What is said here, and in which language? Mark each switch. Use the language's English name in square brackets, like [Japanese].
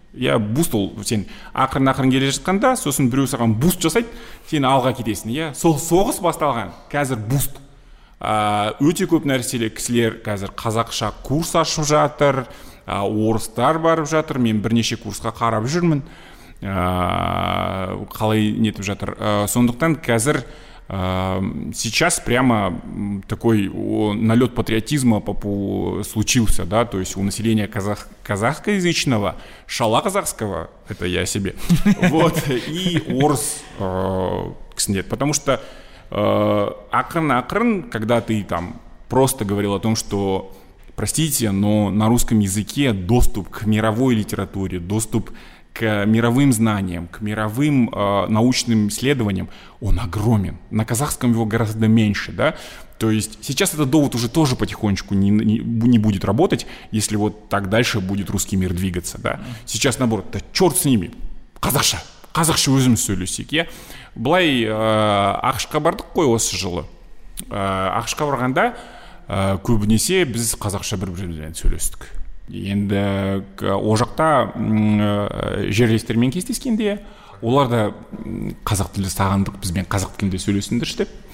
[Kazakh] Иә, буст ол, сен ақырын-ақырын келе жатқанда, сосын біреу саған буст жасайды, сен алға кетесің. Иә, сол соғыс басталған, қазір буст. Өте көп нәрселе кісілер қазір қазақша курс ашып жатыр, орыстар барып жатыр, мен бірнеше курсқа қарап жүрмін, қалай нетіп жатыр. Сондықтан қазір [Russian] сейчас прямо такой налет патриотизма случился, да, то есть у населения казахскоязычного, шала казахского, это я себе, вот, и [Kazakh] орыс кісінде, [Russian] потому что [Kazakh] ақырын-ақырын, [Russian] когда ты там просто говорил о том, что простите, но на русском языке доступ к мировой литературе, доступ к мировым знаниям, к мировым научным исследованиям, он огромен. На казахском его гораздо меньше, да? То есть сейчас этот довод уже тоже потихонечку не будет работать, если вот так дальше будет русский мир двигаться, да? Сейчас наоборот, да черт с ними, [Kazakh] казахша, казахша өзім сөйлесек, [Russian] я? [Kazakh] Былай, ақшқа бардық қой осы жылы. Ақшқа барғанда көбінесе біз қазақша бір-бірімізбен сөйлестік. Енді ол жақта жерлестермен кездескенде олар да қазақ тілді сағындық, бізбен қазақ тілінде сөйлесіңдерші деп.